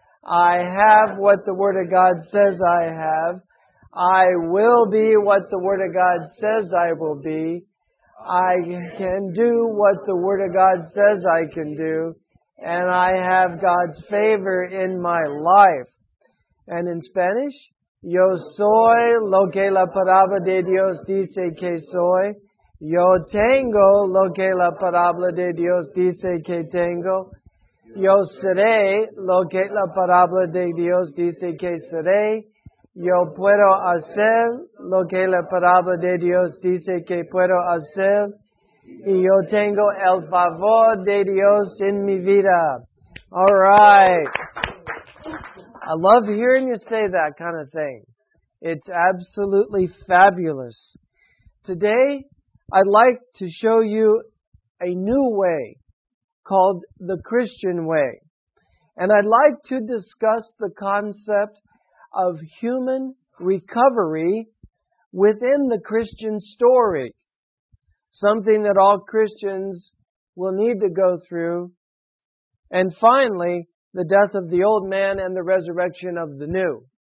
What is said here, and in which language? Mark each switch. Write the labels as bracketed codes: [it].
[en] I have what the Word of God says I have. I will be what the Word of God says I will be. I can do what the Word of God says I can do, and I have God's favor in my life. And in Spanish, [es] yo soy lo que la palabra de Dios dice que soy. Yo tengo lo que la palabra de Dios dice que tengo. Yo seré lo que la palabra de Dios dice que seré. Yo puedo hacer lo que la palabra de Dios dice que puedo hacer. Y yo tengo el favor de Dios en mi vida. [en] All right. I love hearing you say that kind of thing. It's absolutely fabulous. Today, I'd like to show you a new way called the Christian way. And I'd like to discuss the concept of human recovery within the Christian story, something that all Christians will need to go through, and finally, the death of the old man and the resurrection of the new.